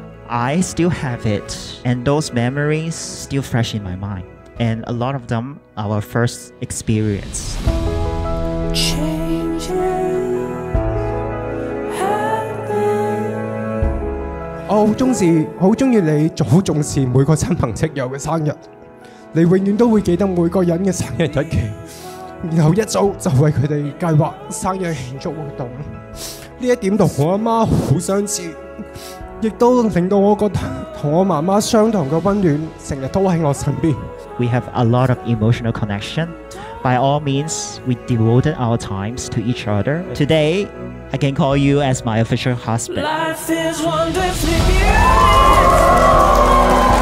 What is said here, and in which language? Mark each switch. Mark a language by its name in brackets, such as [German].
[English] I still have it. And those memories still fresh in my mind. And a lot of them are our first experience. Changes happen. I really like you. I really like you. I really like you. [Cantonese] 你永遠都會記得每個人的生日日期，然後一早就為他們計劃生日慶祝活動。這一點跟我媽媽很相似，亦都令到我覺得和我媽媽相同的溫暖成日都在我身邊。 [English] We have a lot of emotional connection. By all means, we devoted our times to each other. Today, I can call you as my official husband. Life is wonderfully beautiful.